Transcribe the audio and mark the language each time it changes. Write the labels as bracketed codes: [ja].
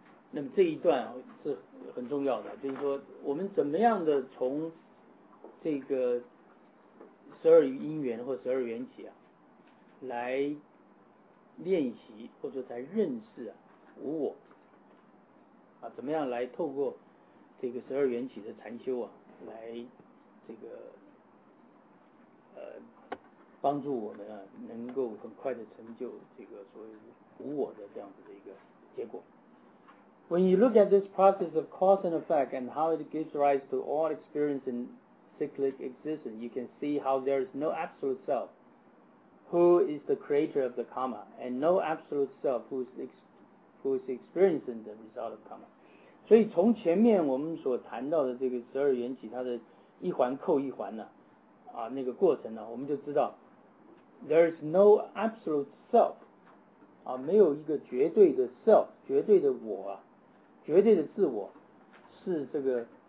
[zh] 那么这一段是很重要的，就是说我们怎么样的从这个十二因缘或十二缘起啊，来练习或者来认识啊无我啊，怎么样来透过这个十二缘起的禅修啊，来这个帮助我们啊，能够很快的成就这个所谓无我的这样子的一个结果。 [en] When you look at this process of cause and effect and how it gives rise to all experience in cyclic existence, you can see how there is no absolute self who is the creator of the karma and no absolute self who is experiencing the result of karma. [zh] 所以从前面我们所谈到的这个十二缘起它的一环扣一环呢、啊那个过程呢、啊、我们就知道 [en] there is no absolute self、 [zh] 啊、没有一个绝对的 self 绝对的我、啊绝对的自我是这个